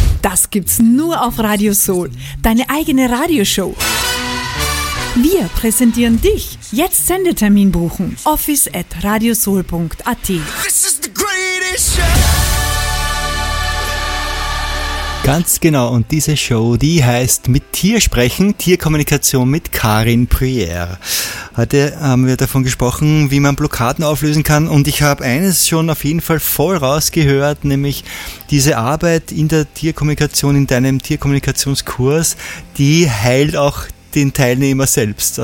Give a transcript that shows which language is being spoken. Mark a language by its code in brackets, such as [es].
[de] Das gibt's nur auf Radio Soul. Deine eigene Radioshow. Wir präsentieren dich. Jetzt Sendetermin buchen. office@radiosoul.at. [en] This is the greatest show. [de] Ganz genau, und diese Show, die heißt Mit Tier sprechen, Tierkommunikation mit Karin Prüer. Heute haben wir davon gesprochen, wie man Blockaden auflösen kann, und ich habe eines schon auf jeden Fall voll rausgehört, nämlich diese Arbeit in der Tierkommunikation, in deinem Tierkommunikationskurs, die heilt auch den Teilnehmer selbst.